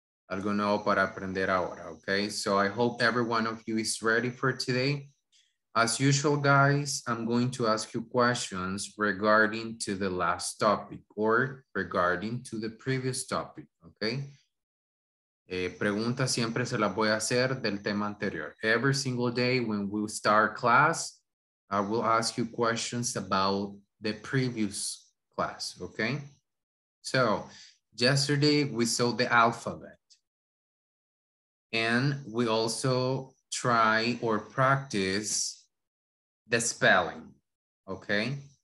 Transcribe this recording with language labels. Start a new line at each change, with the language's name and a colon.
Spanish: Algo nuevo para aprender ahora,
English: okay? So I hope every one of you is ready for today. As usual, guys, I'm going to ask you questions regarding to the last topic or regarding to the previous topic, okay?
Spanish: Preguntas siempre se las voy a hacer del tema anterior.
English: Every single day when we start class, I will ask you questions about the previous class, okay? So yesterday we saw the alphabet and we also try or practice the spelling, okay?